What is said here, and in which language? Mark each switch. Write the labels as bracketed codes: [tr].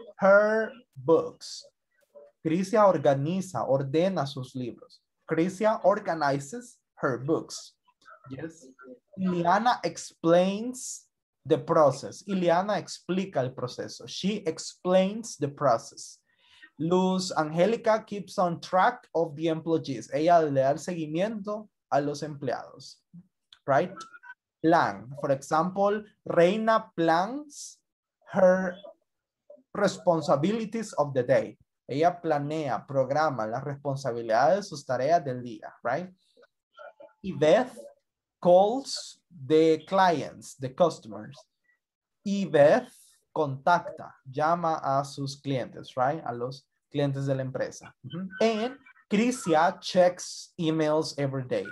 [en] Her books. [es] Crisia organiza, ordena sus libros. [en] Crisia organizes her books. Yes. Liana explains the process. [es] Ileana explica el proceso. [en] She explains the process. Luz Angélica keeps on track of the employees. [es] Ella le da el seguimiento a los empleados. [en] Right? Plan. For example, Reina plans her responsibilities of the day. [es] Ella planea, programa las responsabilidades, sus tareas del día. [en] Right? Yvette calls the clients, the customers. [es] Yvette contacta, llama a sus clientes, right? A los clientes de la empresa. [en] And Crisia checks emails every day.